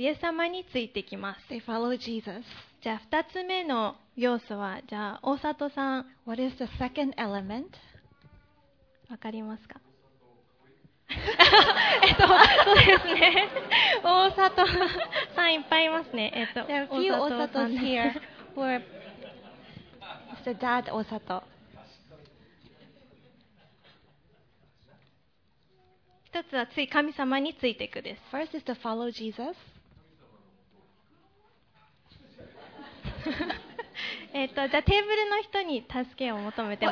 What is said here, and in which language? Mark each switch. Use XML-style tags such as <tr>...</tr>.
<ja>イエス様についてきます。</ja> <en>They follow Jesus.</en> <ja>じゃあ、2つ目の要素は、じゃあ、大里さん。</ja> <en>What is the second element?</en> <ja>わかりますか?そうですね。大里さんいっぱいいますね。</ja> <en>There are few 大里 here who are the dad 大里。</en> <ja>一つはつい神様についていくです。</ja> <en>First is to follow Jesus.</en> <ja>じゃあテーブルの人に助けを求めても</ja>